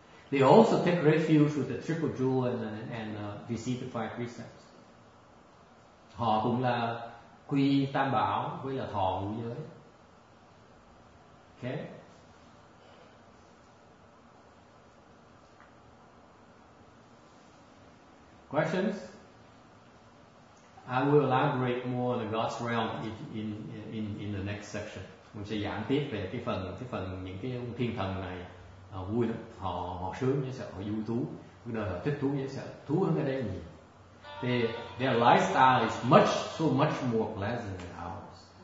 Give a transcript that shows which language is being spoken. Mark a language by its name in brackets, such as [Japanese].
[English] They also take refuge with the triple jewel and receive the five precepts. [Vietnamese] Họ cũng là quy tam bảo với là thọ ngũ giới. [English] Okay. Questions? I will elaborate more on the God's realm in the next section. [Vietnamese] Mình sẽ giảng tiếp về cái phần những cái ông thiên thần này vui lắm, họ sướng như sợ, họ vui thú, cái đời họ thích thú như sợ, thú hơn cái đấy nhiều. [English] They, their lifestyle is much, so much more pleasant than ours.